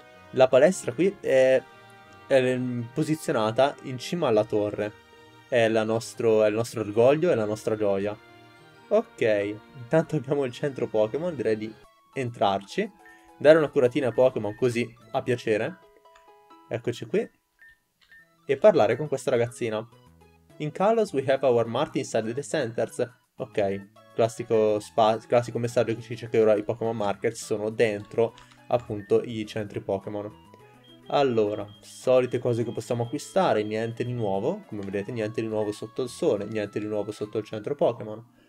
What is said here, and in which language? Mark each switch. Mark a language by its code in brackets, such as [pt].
[it] La palestra qui è posizionata in cima alla torre. È il nostro orgoglio, è la nostra gioia. Ok, intanto abbiamo il centro Pokémon, direi di entrarci. Dare una curatina a Pokémon così a piacere. Eccoci qui. E parlare con questa ragazzina. [en] In Kalos we have our Marty inside the centers. [it] Ok, classico messaggio che ci dice che ora i Pokémon Market sono dentro appunto i centri Pokémon. Allora, solite cose che possiamo acquistare, niente di nuovo, come vedete, niente di nuovo sotto il sole, niente di nuovo sotto il centro Pokémon.